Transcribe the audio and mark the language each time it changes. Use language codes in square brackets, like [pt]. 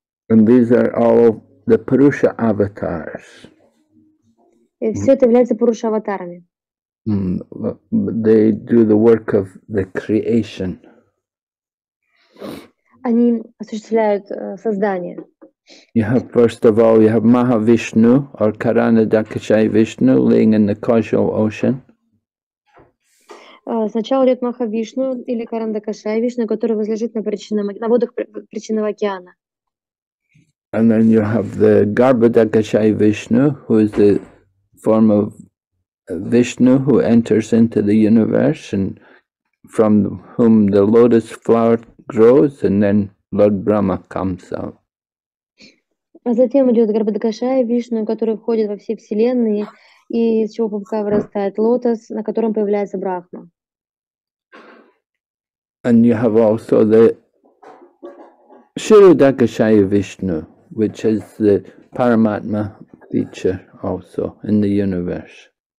[en] And these are all the Purusha avatars. [ru] И все это является Пуруша аватарами. [en] They do the work of the creation. [ru] Они осуществляют создание. [en] You have, first of all, you have Mahavishnu or Karanadakshay Vishnu laying in the causal ocean. [ru] Сначала идет Махавишну или Карандакшай Вишну, который возлежит на водах причинного океана. [en] And then you have the Garbhadakshay Vishnu, who is the form of Vishnu who enters into the universe and from whom the lotus flower grows, and then Lord Brahma comes out. [ru] А затем идет Гарбхадакшая Вишну, который входит во все вселенные, и из чего пупка вырастает лотос, на котором появляется Брахма. [en] And you have also the Shirodakshaya Vishnu, which is the Paramatma feature also in the universe.